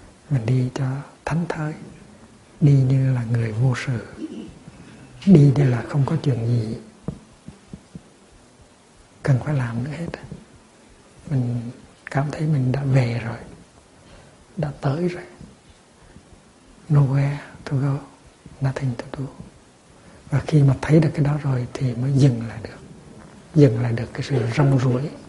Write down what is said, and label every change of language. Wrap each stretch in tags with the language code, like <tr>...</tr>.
<vi>Mình đi cho thánh thơi, đi như là người vô sự, đi như là không có chuyện gì cần phải làm nữa hết. Mình cảm thấy mình đã về rồi, đã tới rồi.</vi> <en>Nowhere to go, nothing to do.</en> <vi>Và khi mà thấy được cái đó rồi thì mới dừng lại được. Dừng lại được cái sự rong ruổi.</vi>